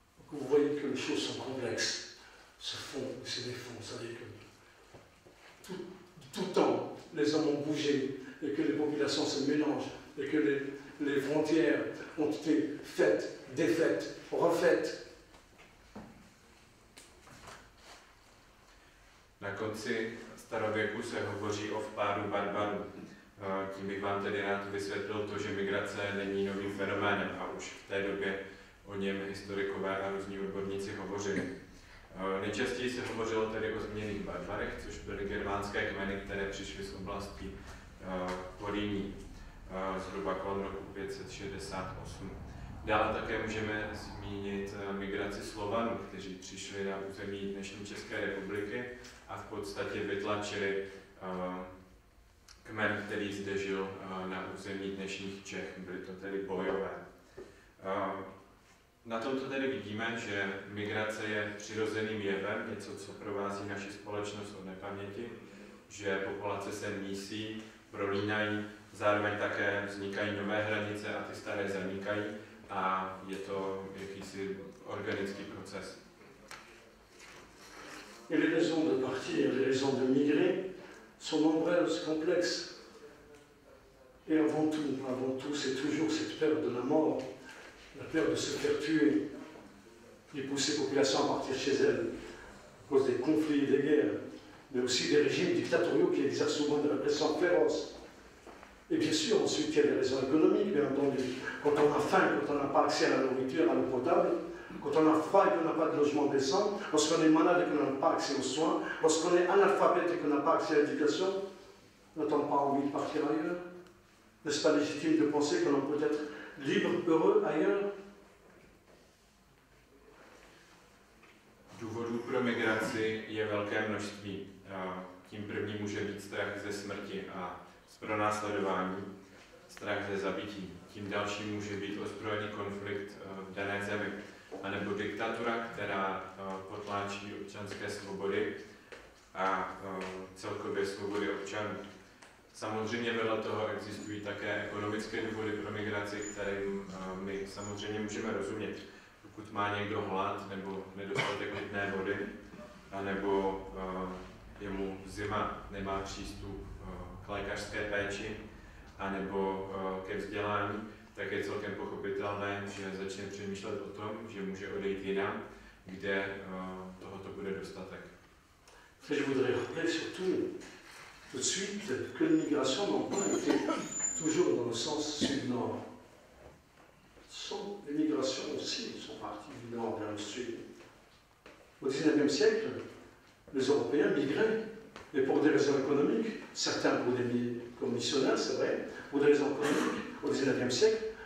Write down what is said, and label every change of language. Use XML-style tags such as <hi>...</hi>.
<fr>Donc vous voyez que les choses sont complexes, se font et se défont. C'est-à-dire que tout temps, les hommes ont bougé et que les populations se mélangent et que les frontières ont été faites, défaites, refaites.</fr> <cs>Na konci starověku se hovoří o vpádu barbarů. Tím bych vám tedy rád vysvětlil to, že migrace není novým fenoménem a už v té době o něm historikové a různí odborníci hovořili. Nejčastěji se hovořilo tedy o zmíněných barbarech, což byly germánské kmeny, které přišly z oblasti Poríní zhruba kolem roku 568. Dále také můžeme zmínit migraci Slovanů, kteří přišli na území dnešní České republiky a v podstatě vytlačili kmen, který zde žil na území dnešních Čech. Byly to tedy Bojové. Na tomto tedy vidíme, že migrace je přirozeným jevem, něco, co provází naši společnost od nepaměti, že populace se mísí, prolínají, zároveň také vznikají nové hranice a ty staré zanikají a je to jakýsi organický proces.</cs> <fr>Et les raisons de partir, les raisons de migrer sont nombreuses, complexes. Et avant tout, c'est toujours cette peur de la mort, la peur de se faire tuer, qui pousse ces populations à partir chez elles, à cause des conflits et des guerres, mais aussi des régimes dictatoriaux qui exercent souvent une répression féroce. Et bien sûr, ensuite, il y a les raisons économiques, bien entendu. Quand on a faim, quand on n'a pas accès à la nourriture, à l'eau potable, quand on a froid et qu'on n'a pas de logement décent, lorsqu'on est malade et qu'on n'a pas accès aux soins, lorsqu'on est analphabète et qu'on n'a pas accès à l'éducation, n'a-t-on pas envie de partir ailleurs? N'est-ce pas légitime de penser que l'on peut être libre, heureux ailleurs?</fr> <cs>Důvodů pro migraci je velké množství. Tím prvním může být strach ze smrti a z pronásledování, strach ze zabití. Tím dalším může být ozbrojený konflikt v dané zemi. A nebo diktatura, která potláčí občanské svobody a celkově svobody občanů. Samozřejmě vedle toho existují také ekonomické důvody pro migraci, kterým my samozřejmě můžeme rozumět. Pokud má někdo hlad nebo nedostatek pitné vody, anebo je mu zima, nemá přístup k lékařské péči, anebo ke vzdělání, tak je celkem pochopitelné, že začne přemýšlet o tom, že může odejít jinam, kde tohoto bude dostatek.</cs> <fr>Je voudrais rappeler surtout tout de suite que l'immigration n'a pas été toujours dans le sens sud-nord. Sans l'immigration aussi, ils sont partis du nord vers le sud. Au XIXe siècle, les Européens migraient, et pour des raisons économiques, certains pour des missionnaires, c'est vrai, pour des raisons économiques. Au XIXe siècle,</fr>